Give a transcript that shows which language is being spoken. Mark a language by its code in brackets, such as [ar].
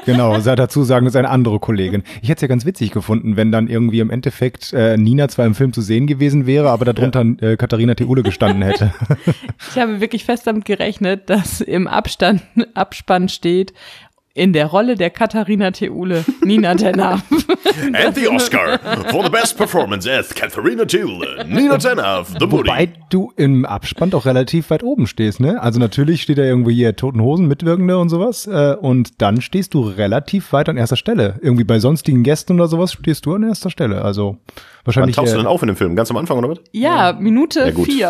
[de] Genau, sei dazu sagen, das ist eine andere Kollegin. Ich hätte es ja ganz witzig gefunden, wenn dann irgendwie im Endeffekt Nina zwar im Film zu sehen gewesen wäre, aber darunter Katharina Theule gestanden hätte. Ich habe wirklich fest damit gerechnet, dass im Abspann steht, In der Rolle der Katharina Theule, Nina Tenav. [en] And the Oscar for the best performance as Katharina Theule, Nina Tenav, the Booty. [de] Wobei du im Abspann doch relativ weit oben stehst, ne? Also natürlich steht da irgendwie hier Toten Hosen, Mitwirkende und sowas. Und dann stehst du relativ weit an erster Stelle. Irgendwie bei sonstigen Gästen oder sowas stehst du an erster Stelle. Also wahrscheinlich. Wann tauchst du denn auf in dem Film? Ganz am Anfang oder was? Ja, Minute 4. Ja,